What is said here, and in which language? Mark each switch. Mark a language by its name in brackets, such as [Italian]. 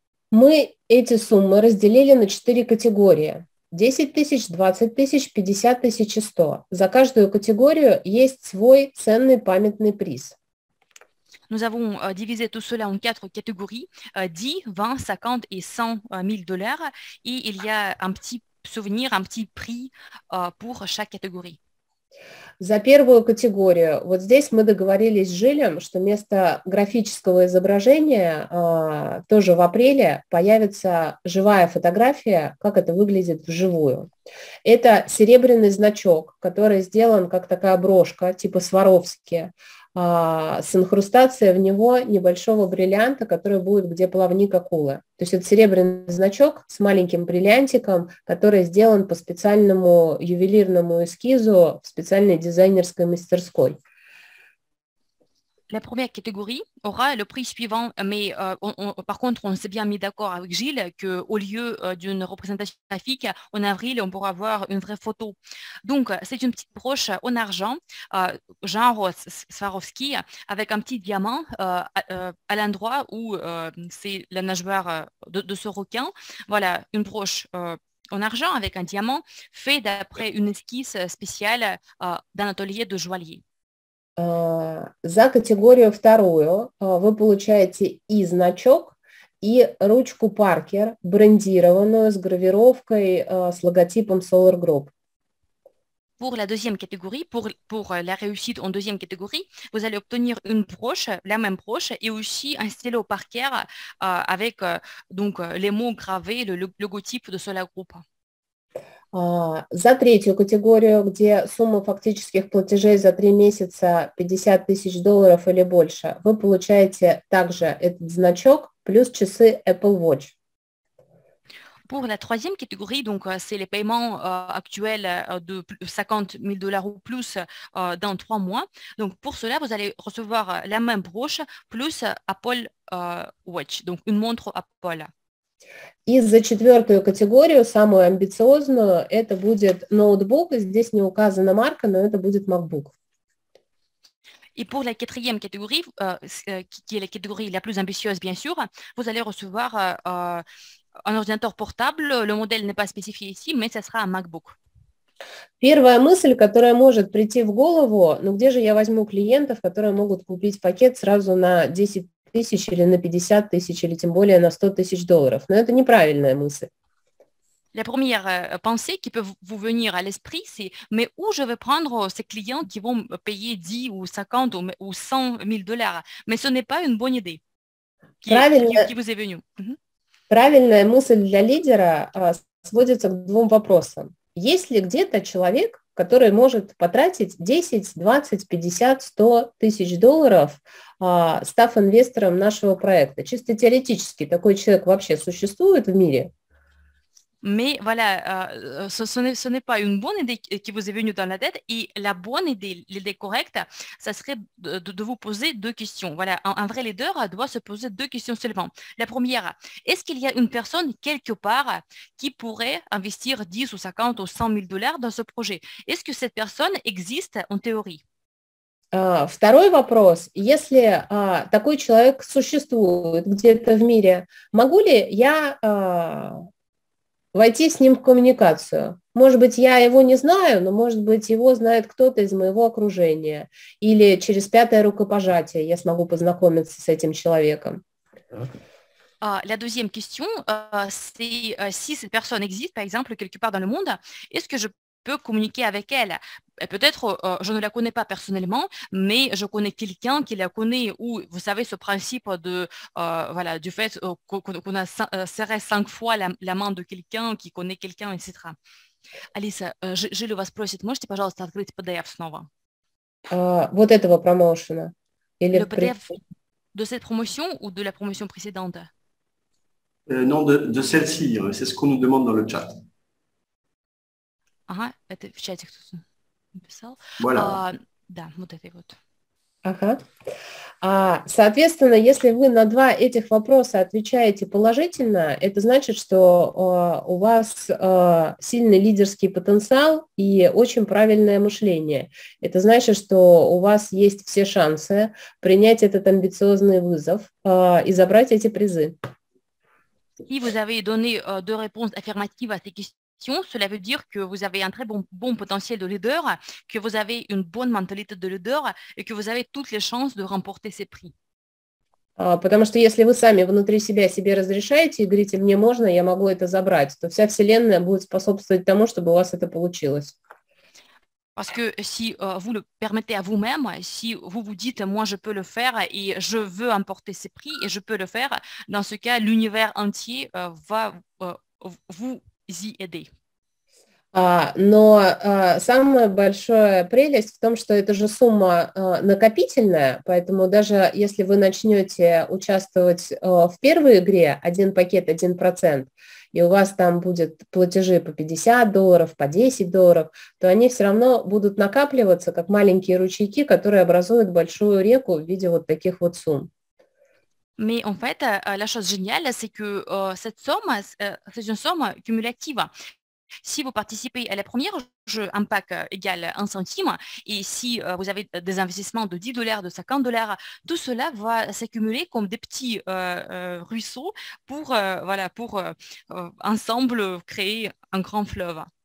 [Russian] Мы эти суммы разделили на 4 категории. 10 тысяч, 20 тысяч, 50 тысяч и 100. За каждую категорию есть свой ценный памятный приз. [French] Nous avons divisé tout cela en 4 catégories, 10, 20, 50 et 100 000 dollars. Et il y a un petit souvenir, un petit prix pour chaque catégorie. [Russian] За первую категорию. Вот здесь мы договорились с Жилем, что вместо графического изображения тоже в апреле появится живая фотография, как это выглядит вживую. Это серебряный значок, который сделан как такая брошка, типа Сваровски, с инкрустацией в него небольшого бриллианта, который будет где плавник акулы. То есть это серебряный значок с маленьким бриллиантиком, который сделан по специальному ювелирному эскизу в специальной дизайнерской мастерской. [French] La première catégorie aura le prix suivant, mais par contre, on s'est bien mis d'accord avec Gilles qu'au lieu d'une représentation graphique, en avril, on pourra voir une vraie photo. Donc, c'est une petite broche en argent, genre Swarovski, avec un petit diamant à l'endroit où c'est la nageoire de ce requin. Voilà, une broche en argent avec un diamant fait d'après une esquisse spéciale d'un atelier de joaillier. [Russian] За категорию вторую вы получаете и значок, и ручку Паркер, брендированную с гравировкой с логотипом Solar Group. [French] Pour la deuxième catégorie, pour la réussite en deuxième catégorie, vous allez obtenir une broche, la même broche, et aussi un stylo Parker avec donc les mots gravés, le logotype de Solar Group. [Russian] За третью категорию, где сумма фактических платежей за 3 месяца 50 тысяч долларов или больше, вы получаете также этот значок плюс часы Apple Watch. [French] Pour la troisième catégorie, donc c'est les paiements actuels de 50 000 dollars ou plus dans 3 mois. Donc pour cela, vous allez recevoir la même broche plus Apple Watch, donc une montre Apple. [Russian] И за четвертую категорию, самую амбициозную, это будет ноутбук. Здесь не указана марка, но это будет MacBook. И [French] pour la quatrième catégorie, qui est la catégorie la plus ambitieuse, bien sûr, vous allez recevoir un ordinateur portable. Le modèle n'est pas spécifié ici, mais ce sera un MacBook. [Russian] Первая мысль, которая может прийти в голову, ну где же я возьму клиентов, которые могут купить пакет сразу на 10 тысяч или на 50 тысяч или тем более на 100 тысяч долларов. Но это неправильная мысль. [French] La première pensée qui peut vous venir à l'esprit, c'est « Mais où je vais prendre ces clients qui vont payer 10 ou 50 ou 100 000 dollars ?» Mais ce n'est pas une bonne idée qui vous est venue. [Russian] Правильная мысль для лидера сводится к двум вопросам. Есть ли где-то человек, который может потратить 10, 20, 50, 100 тысяч долларов, став инвестором нашего проекта? Чисто теоретически, такой человек вообще существует в мире? [French] Mais voilà, ce n'est pas une bonne idée qui vous est venue dans la tête. Et la bonne idée, l'idée correcte, ça serait de vous poser 2 questions. Voilà, un vrai leader doit se poser 2 questions seulement. La première, est-ce qu'il y a une personne quelque part qui pourrait investir 10 ou 50 ou 100 000 dollars dans ce projet? Est-ce que cette personne existe en théorie? [Russian] Второй вопрос. Если такой человек существует где-то в мире, могу ли я войти с ним в коммуникацию? Может быть, я его не знаю, но, может быть, его знает кто-то из моего окружения. Или через пятое рукопожатие я смогу познакомиться с этим человеком. [French] La deuxième question, c'est si cette personne existe, par exemple, quelque part dans le monde, est-ce que je peux communiquer avec elle? Peut-être je ne la connais pas personnellement, mais je connais quelqu'un qui la connaît, ou vous savez ce principe de, voilà, du fait qu'on a serré 5 fois la main de quelqu'un qui connaît quelqu'un, etc. [Russian] Алиса, Жиль вас просит, можете, пожалуйста, открыть PDF снова? Вот этого промоушена. Или [French] le PDF de cette promotion ou de la promotion précédente? Non, de celle-ci, c'est ce qu'on nous demande dans le chat. [Russian] Ага, это в чате кто-то написал. [French] Voilà. [Russian] Да, вот этой вот. Ага. Соответственно, если вы на 2 этих вопроса отвечаете положительно, это значит, что у вас сильный лидерский потенциал и очень правильное мышление. Это значит, что у вас есть все шансы принять этот амбициозный вызов и забрать эти призы. [French] Si vous avez donné deux réponses affirmatives à ces questions, cela veut dire que vous avez un très bon potentiel de leader, que vous avez une bonne mentalité de leader et que vous avez toutes les chances de remporter ces prix. [Russian] Потому что если вы сами внутри себя себе разрешаете и говорите «мне можно, я могу это забрать», то вся Вселенная будет способствовать тому, чтобы у вас это получилось. [French] Parce que si vous le permettez à vous-même, si vous vous dites « moi, je peux le faire et je veux emporter ces prix et je peux le faire », dans ce cas, l'univers entier va vous y aider. [Russian] Самая большая прелесть в том, что это же сумма накопительная, поэтому даже если вы начнете участвовать в первой игре «один пакет, 1%», и у вас там будут платежи по $50, по $10, то они все равно будут накапливаться, как маленькие ручейки, которые образуют большую реку в виде вот таких вот сумм. [French] Mais en fait, la chose géniale, c'est que cette somme, c'est une somme cumulative. Si vous participez à la première, je impacte égale 1 centime, et si vous avez des investissements de $10, de $50, tout cela va s'accumuler comme des petits ruisseaux pour, voilà, pour ensemble créer un grand fleuve.